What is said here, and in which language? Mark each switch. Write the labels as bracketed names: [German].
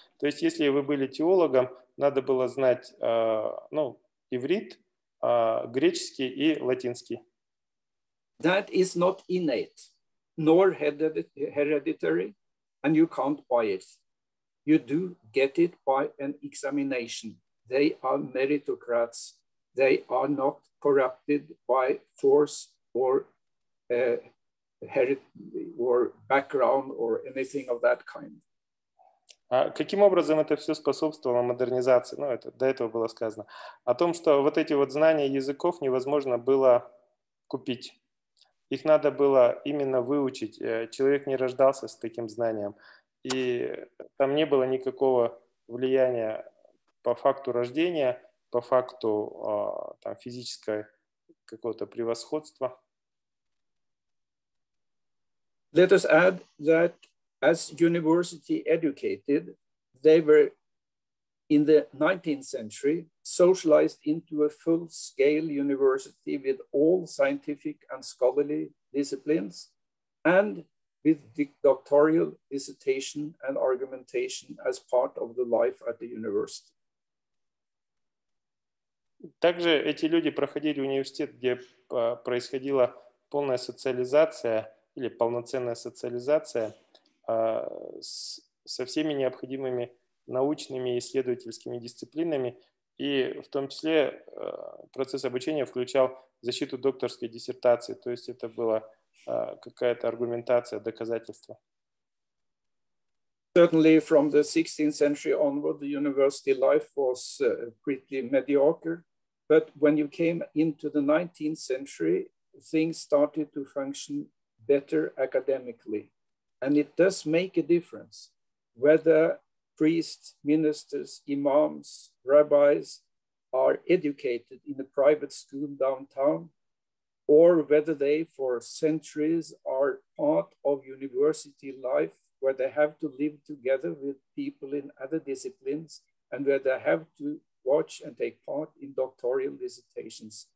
[Russian] То есть, если вы были теологом, надо было знать, иврит, греческий и латинский. [English] That is not innate, nor hereditary, and you can't buy it. You do get it by an examination. They are meritocrats. They are not corrupted by force or heritage or background or anything of that kind. [Russian] Каким образом это все способствовало модернизации? Ну, это до этого было сказано. О том, что вот эти вот знания языков невозможно было купить. Их надо было именно выучить. Человек не рождался с таким знанием. И там не было никакого влияния по факту рождения, по факту там, физического какого-то превосходства. [English] Let us add that as university educated, they were in the 19th century socialized into a full-scale university with all scientific and scholarly disciplines and with the doctoral dissertation and argumentation as part of the life at the university. [Russian] Также эти люди проходили университет, где происходила полная социализация или полноценная социализация со всеми необходимыми научными и исследовательскими дисциплинами, и в том числе процесс обучения включал защиту докторской диссертации, то есть это была какая-то аргументация, доказательство. [English] Certainly from the 16th century onward, the university life was pretty mediocre, but when you came into the 19th century, things started to function better academically. And it does make a difference whether priests, ministers, imams, rabbis are educated in a private school downtown or whether they for centuries are part of university life where they have to live together with people in other disciplines and where they have to watch and take part in doctoral dissertations.